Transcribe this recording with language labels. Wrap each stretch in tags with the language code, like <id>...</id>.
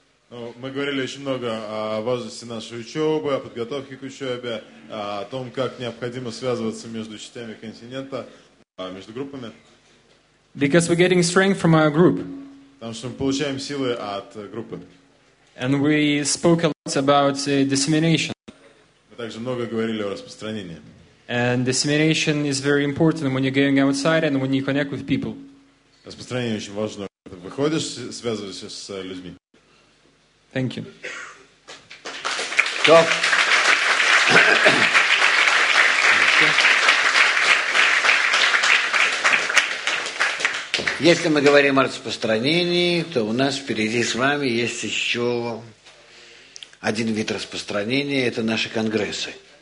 <ru>Ну, мы говорили очень много о важности нашей учебы, о подготовке к учебе, о том, как необходимо связываться между частями континента, между группами.</ru> <en>Because we're getting strength from our group.</en> <ru>Потому что мы получаем силы от группы.</ru> <en>And we spoke a lot about dissemination.</en> <ru>Мы также много говорили о распространении.</ru> <en>And dissemination is very important when you're going outside and when you connect with people.</en> <ru>Распространение очень важно, когда ты выходишь, связываешься с людьми.</ru> <en>Thank you.</en> <ru>So, если мы говорим о распространении, то у нас впереди с вами есть еще один вид распространения. Это наши конгрессы.</ru>